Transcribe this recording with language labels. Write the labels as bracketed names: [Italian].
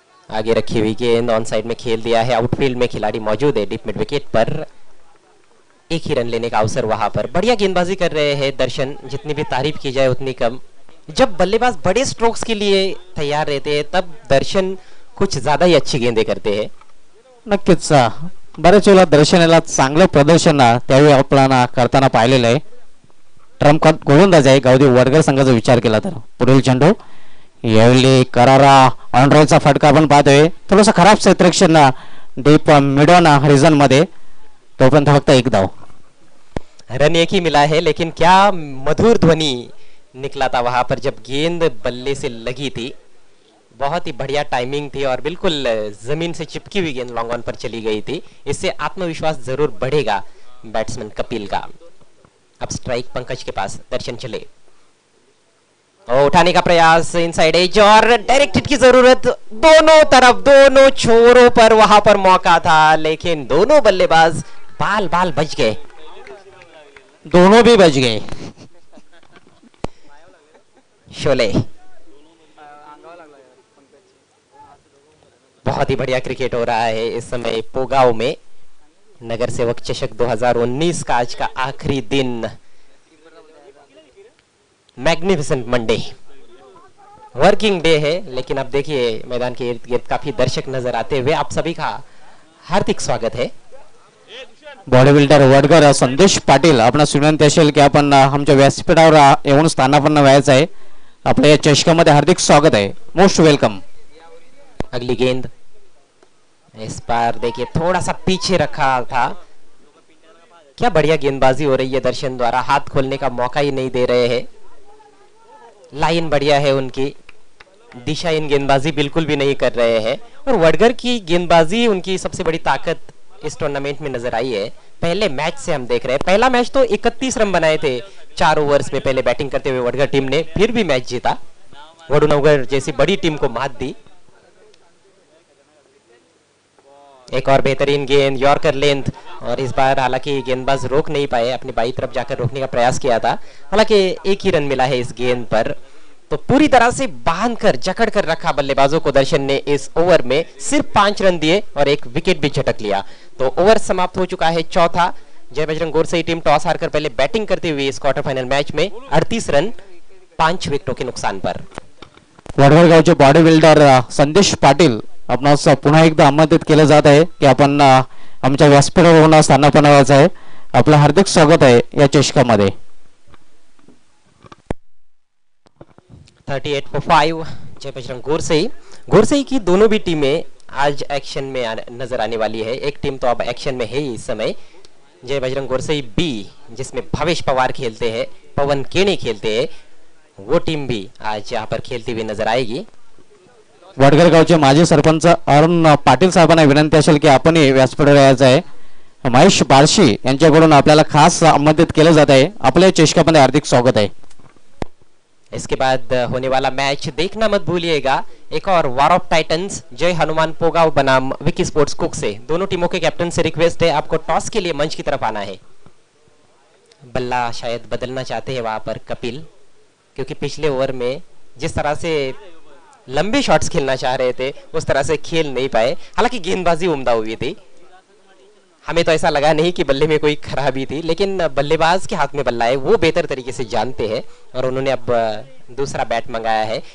[Hindi] आगे रखी हुई गेंद ऑन साइड में खेल दिया है. आउटफील्ड में खिलाड़ी मौजूद है डीप मिड विकेट पर. 1 ही रन लेने का अवसर वहां पर. बढ़िया गेंदबाजी कर रहे हैं दर्शन, जितनी भी तारीफ की जाए उतनी कम. जब बल्लेबाज बड़े स्ट्रोक्स के लिए तैयार रहते हैं तब दर्शन कुछ ज्यादा ही अच्छी गेंदे करते हैं. [Marathi] नक्कीच बरेच वेळा दर्शनाला चांगलं प्रदर्शन त्यावेळी आपण करताना पाहिलेलं आहे. ट्रम्प कट गोलंदाज आहे गावदेव वडगर संघाचा विचार केला तर. पुढील चेंडू यावेळी करारा ऑनरोलचा फटका आपण पाहतोय. थोडासा खराब सेतरक्षण डीप मिडॉन रिझन मध्ये. तोपर्यंत फक्त 1 धाव. [Hindi] रन 1 ही मिला है लेकिन क्या मधुर ध्वनी निकला था वहां पर जब गेंद बल्ले से लगी थी. बहुत ही बढ़िया टाइमिंग थी और बिल्कुल जमीन से चिपकी हुई गेंद लॉन्ग ऑन पर चली गई थी. इससे आत्मविश्वास जरूर बढ़ेगा बैट्समैन कपिल का. अब स्ट्राइक पंकज के पास. दर्शन चले और उठाने का प्रयास इनसाइड एज और डायरेक्ट हिट की जरूरत. दोनों तरफ दोनों छोरों पर वहां पर मौका था लेकिन दोनों बल्लेबाज बाल बाल बच गए. दोनों भी बच गए. शोले बहुत ही बढ़िया क्रिकेट हो रहा है इस समय पोगाव में. नगर सेवक चषक 2019 का आज का आखिरी दिन. [English] magnificent Monday working day [Hindi] है लेकिन अब देखिए मैदान के इर्द गिर्द काफी दर्शक नजर आते हुए आप सभी का हार्दिक स्वागत है. [Marathi] बॉडी बिल्डर वडगर संदेश पाटील अपना सुनंती असेल की आपण आमच्या व्यासपीठावर येऊन स्थानापन्न व्हायचं आहे. आपले या चषकामध्ये हार्दिक स्वागत आहे, [English] Most welcome. [Hindi] अगली गेंद इस पर देखिए थोड़ा सा पीछे रखा था, क्या बढ़िया गेंदबाजी हो रही है दर्शन द्वारा, हाथ खोलने का मौका ही नहीं दे रहे हैं, लाइन बढ़िया है उनकी, दिशा इन गेंदबाजी बिल्कुल भी नहीं कर रहे हैं। और वडगर की गेंदबाजी उनकी सबसे बड़ी ताकत इस टूर्नामेंट में नजर आई है, पहले मैच से हम देख रहे हैं। पहला मैच तो 31 रन बनाए थे चार ओवर्स में पहले बैटिंग करते हुए वडगर टीम ने, फिर भी मैच जीता, वडुनगर जैसी बड़ी टीम को मात दी। एक और बेहतरीन गेंद, यॉर्कर लेंथ, और इस बार हालांकि गेंदबाज रोक नहीं पाए, अपनी बाई तरफ जाकर रोकने का प्रयास किया था, हालांकि एक ही रन मिला है इस गेंद पर। तो पूरी तरह से बांध कर जकड़ कर रखा बल्लेबाजों को दर्शन ने इस ओवर में, सिर्फ 5 रन दिए और एक विकेट भी झटक लिया। तो ओवर समाप्त हो चुका है चौथा, जय बजरंग गोर से ही टीम टॉस हारकर पहले बैटिंग करते हुए इस क्वार्टर फाइनल मैच में 38 रन 5 विकेटों के नुकसान पर। [Marathi] वडगर गांव जो बॉडी बिल्डर संदेश पाटिल अपना पुनः एकदा आमंत्रित केले जात आहे कि अपन आमच्या व्यासपीठावर होणार स्थानापनाचा आहे, आपलं हार्दिक स्वागत आहे या चषकामध्ये। [English] 38 for 5 Jai Bajrang Gorsai. [Hindi] गोरसई की दोनों भी टीमें आज एक्शन में नजर आने वाली है, एक टीम तो अब एक्शन में है ही इस समय, जय बजरंग गोरसई बी जिसमें भवेश पवार खेलते हैं, पवन केणे खेलते हैं, वो टीम भी आज यहाँ पर खेलती हुई नजर आएगी। वडगर गाँव के माजी सरपंच अरुण पाटिल साहब ने [Marathi] विनंती असेल की आपण व्यासपीठावर यायचंय, महेश बार्शी यांच्याकडून आपल्याला खास आमंत्रित केलं जात आहे, आपले चषकामध्ये हार्दिक स्वागत आहे। [Hindi] इसके बाद होने वाला मैच देखना मत भूलिएगा, एक और वार ऑफ टाइटंस जय हनुमान पोगाव बनाम विकी स्पोर्ट्स कुक से। दोनों टीमों के कैप्टन से रिक्वेस्ट है, आपको टॉस के लिए मंच की तरफ आना है। बल्ला शायद बदलना चाहते हैं वहां पर कपिल, क्योंकि पिछले ओवर में जिस तरह से लंबे शॉट्स खेलना चाह रहे थे उस तरह से खेल नहीं पाए, हालांकि गेंदबाजी उम्दा हुई थी, हमें तो ऐसा लगा नहीं कि बल्ले में कोई खराबी थी, लेकिन बल्लेबाज के हाथ में बल्ला है, वो बेहतर तरीके से जानते हैं और उन्होंने अब दूसरा बैट मंगाया है।